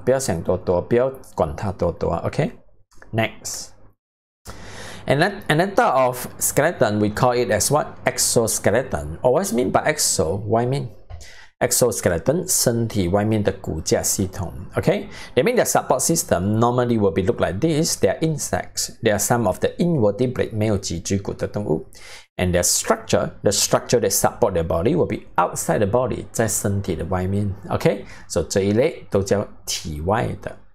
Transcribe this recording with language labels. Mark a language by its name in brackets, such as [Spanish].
[Chinese] 不要想多多，不要管它多多。 [English] Okay? Next. Another of skeleton, we call it as what? Exoskeleton. Or what's mean by exo? Why mean? Exoskeleton, [Chinese] 身体外面的骨架系统。 [English] Okay? They mean their support system normally will be look like this. They are insects. They are some of the invertebrate, [Chinese] 没有脊椎骨的动物。 [English] And their structure, the structure that support their body will be outside the body, [Chinese] 在身体的外面。 [English] Okay? [Chinese] So 这一类都叫体外的。